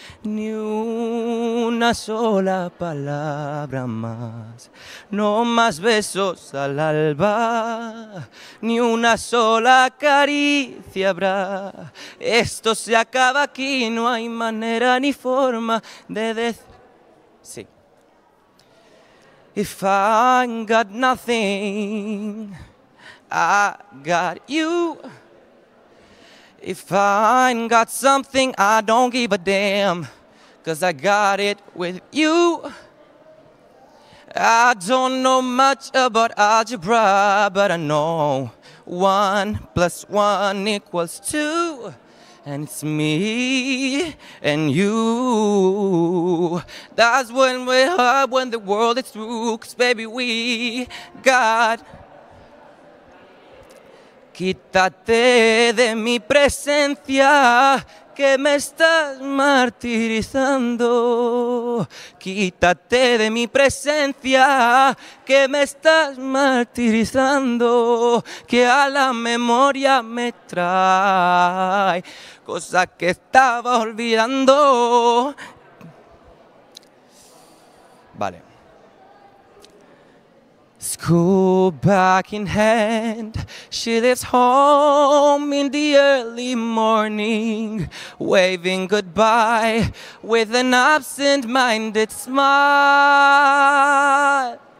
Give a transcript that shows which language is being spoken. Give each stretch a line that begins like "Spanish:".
Spanish: Ni una sola palabra más, no más besos al alba, ni una sola caricia habrá. Esto se acaba aquí, no hay manera ni forma de Sí.
English: If I ain't got nothing, I got you. If I ain't got something, I don't give a damn, 'cause I got it with you. I don't know much about algebra, but I know 1 + 1 = 2, and it's me and you. That's when we're hard, when the world is through, 'cause baby we got.
Spanish: Quítate de mi presencia, que me estás martirizando. Quítate de mi presencia, que me estás martirizando. Que a la memoria me trae cosas que estaba olvidando. Vale.
English: School back in hand, she leaves home in the early morning, waving goodbye with an absent-minded smile.